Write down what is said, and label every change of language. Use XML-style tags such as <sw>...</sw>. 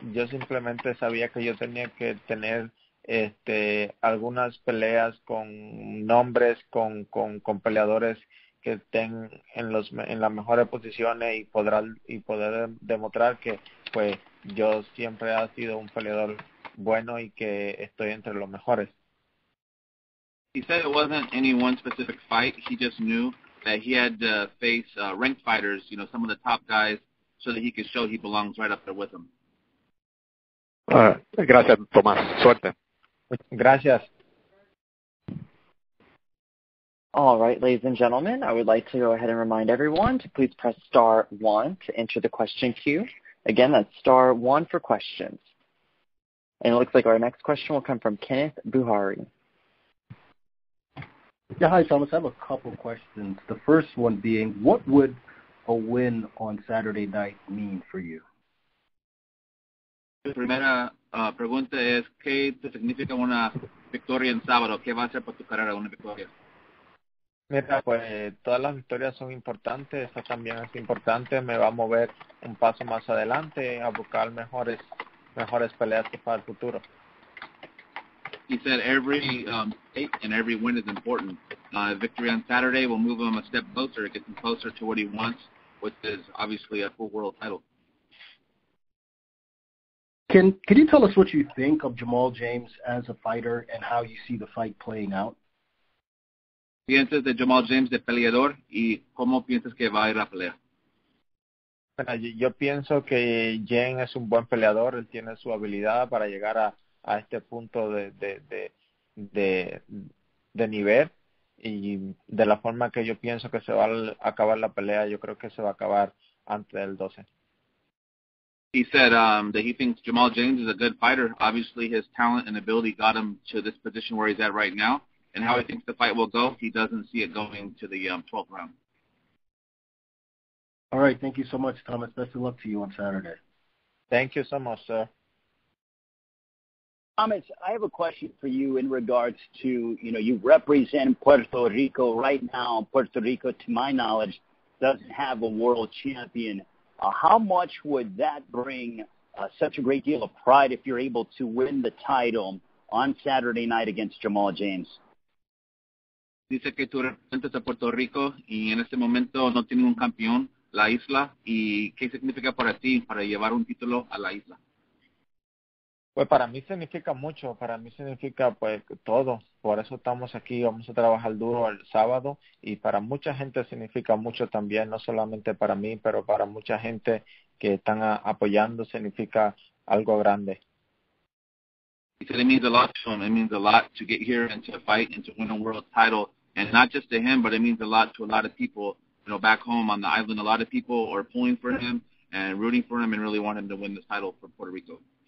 <es>Yo simplemente sabía que yo tenía que tener algunas peleas con nombres, con peleadores que estén en las mejores posiciones y poder demostrar que pues yo siempre he sido un peleador bueno y que estoy entre los mejores.</es> <en>He said it wasn't any one specific fight. He just knew that he had to face ranked fighters, you know, some of the top guys, so that he could show he belongs right up there with them.</en> <es>Gracias, Tomás. Suerte. Gracias.</es> <en>All right, ladies and gentlemen, I would like to go ahead and remind everyone to please press star 1 to enter the question queue. Again, that's star 1 for questions. And it looks like our next question will come from Kenneth Buhari. Yeah, hi, Thomas. I have a couple questions. The first one being, what would a win on Saturday night mean for you?</en> <es>La primera pregunta es, ¿qué te significa una victoria en sábado? ¿Qué va a ser para tu carrera una victoria? Mira, pues todas las victorias son importantes. Esta también es importante. Me va a mover un paso más adelante a buscar mejores peleas para el futuro.</es> <en>He said every eight and every win is important. Victory on Saturday will move him a step closer, get him closer to what he wants, which is obviously a full world title. Can you tell us what you think of Jamal James as a fighter and how you see the fight playing out?</en> <es>¿Piensas de Jamal James de peleador y cómo piensas que va a ir la pelea? Yo pienso que Jen es un buen peleador, él tiene su habilidad para llegar a este punto de nivel, y de la forma que yo pienso que se va a acabar la pelea, yo creo que se va a acabar antes del 12.</es> <en>He said that he thinks Jamal James is a good fighter. Obviously his talent and ability got him to this position where he's at right now, and how he thinks the fight will go, he doesn't see it going to the 12th round. All right, thank you so much, Thomas. Best of luck to you on Saturday. Thank you so much, sir. Thomas, I have a question for you in regards to, you know, you represent Puerto Rico right now. Puerto Rico, to my knowledge, doesn't have a world champion. How much would that bring such a great deal of pride if you're able to win the title on Saturday night against Jamal James?</en> <es>Dice que tú representas a Puerto Rico y en este momento no tiene un campeón la isla. ¿Y qué significa para ti para llevar un título a la isla? Pues para mí significa mucho. Para mí significa pues todo. Por eso estamos aquí. Vamos a trabajar duro el sábado. Y para mucha gente significa mucho también. No solamente para mí, pero para mucha gente que están apoyando significa algo grande.</es> <en>He said it means a lot to him. It means a lot to get here and to fight and to win a world title. And not just to him, but it means a lot to a lot of people, you know, back home on the island. A lot of people are pulling for him and rooting for him and really want him to win this title for Puerto Rico.</en>